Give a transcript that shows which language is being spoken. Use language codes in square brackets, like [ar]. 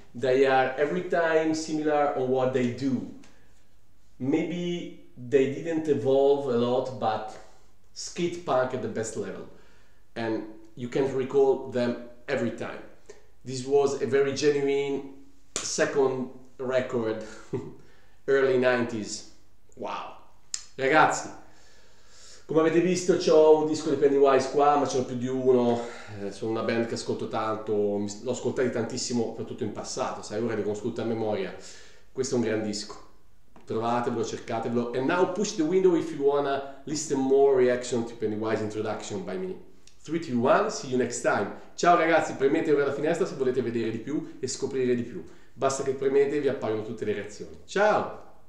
[en] They are every time similar on what they do. Maybe they didn't evolve a lot, but skate punk at the best level. And you can recall them every time. This was a very genuine second record, early 90s. Wow. [it] Ragazzi, come avete visto, c'ho un disco di Pennywise qua, ma ce n'ho più di uno. Sono una band che ascolto tanto, l'ho ascoltato tantissimo, soprattutto in passato, sai, ora li conosco a memoria. Questo è un gran disco. Trovatevelo, cercatevelo. [en] And now push the window if you wanna listen more reaction to Pennywise introduction by me. 3, 2, 1, see you next time. [it] Ciao ragazzi, premetevi alla finestra se volete vedere di più e scoprire di più. Basta che premete e vi appaiono tutte le reazioni. Ciao!